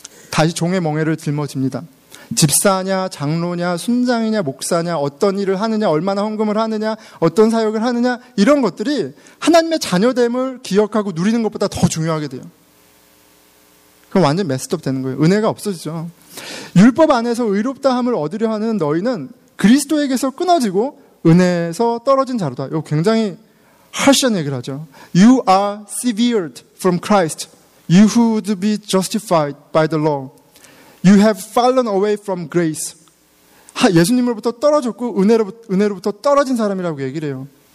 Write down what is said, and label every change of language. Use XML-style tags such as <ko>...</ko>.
<ko>다시 종의 멍에를 짊어집니다. 집사냐, 장로냐, 순장이냐, 목사냐, 어떤 일을 하느냐, 얼마나 헌금을 하느냐, 어떤 사역을 하느냐, 이런 것들이 하나님의 자녀됨을 기억하고 누리는 것보다 더 중요하게 돼요. 그럼 완전 메스업 되는 거예요. 은혜가 없어지죠. 율법 안에서 의롭다함을 얻으려 하는 너희는 그리스도에게서 끊어지고 은혜에서 떨어진 자로다. 이거 굉장히 harsh한 얘기를 하죠.</ko> <en>You are severed from Christ. You would be justified by the law. You have fallen away from grace.</en> <ko>예수님으로부터 떨어졌고 은혜로부터 떨어진 사람이라고 얘기를 해요.</ko>